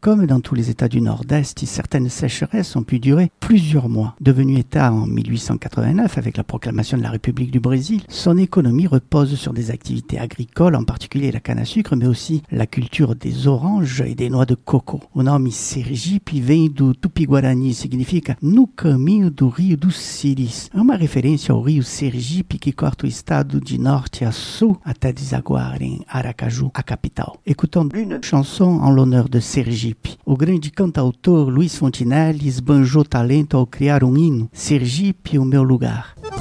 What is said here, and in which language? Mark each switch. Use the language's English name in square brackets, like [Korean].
[French] Comme dans tous les états du nord-est, certaines sécheresses ont pu durer plusieurs mois. Devenu état en 1889 avec la proclamation de la République du Brésil, son économie repose sur des activités agricoles, en particulier la canne à sucre, mais aussi la culture des oranges et des noix de coco. [Portuguese] O nome Sergipe vem do Tupi-Guarani, significa no caminho do Rio dos Siris. É uma referência ao rio Sergipe que corta o estado de norte a sul até desaguar em Aracaju, a capital. [French] Écoutons une chanson en l'honneur de Sergipe. [Portuguese] O grande cantautor Luiz Fontenelle esbanjou talento ao criar hino, Sergipe, o meu lugar.